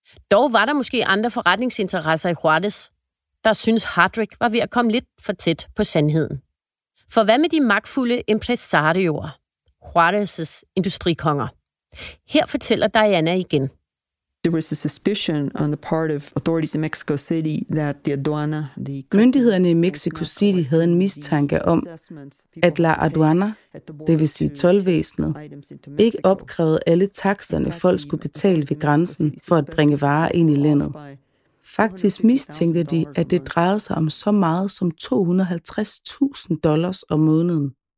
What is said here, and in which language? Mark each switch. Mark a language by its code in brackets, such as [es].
[da] Dog var der måske andre forretningsinteresser i Juárez, der synes Hardrick var ved at komme lidt for tæt på sandheden. For hvad med de magtfulde empresarioer, Juárez' industrikonger? Her fortæller Diana igen. [en] There was a suspicion on the part of authorities in Mexico City that the aduana, the [da] myndighederne i Mexico City havde en mistanke om, at la aduana, det vil sige tolvvæsenet, ikke opkrævede alle taksterne, folk skulle betale ved grænsen for at bringe varer ind i landet. Faktisk mistænkte de, at det drejede sig om så meget som $250,000 om måneden.